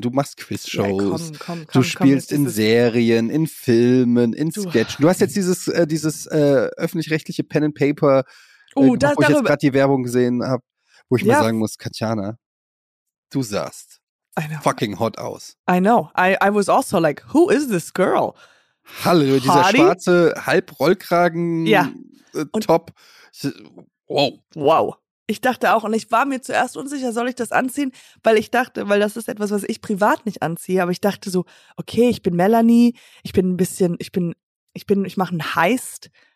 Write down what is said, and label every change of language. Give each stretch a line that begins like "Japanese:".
German: Du machst Quizshows. Ja, komm, du spielst in Serien, in Filmen, in Sketchen. Du hast jetzt dieses öffentlich-rechtliche Pen and Paper, wo ich jetzt gerade die Werbung gesehen habe, wo ich mal sagen muss, Katjana, du sahst
English: fucking hot
German: aus.
English: I know. I was also like, who is this girl?
German: Hallo, dieser schwarze Halbrollkragen Top. Wow. Wow. Ich dachte auch, und ich war mir zuerst unsicher, soll ich das anziehen? Weil ich dachte, weil das ist etwas, was ich privat nicht anziehe, aber ich dachte so, okay, ich bin Melanie, ich mache einen Heist.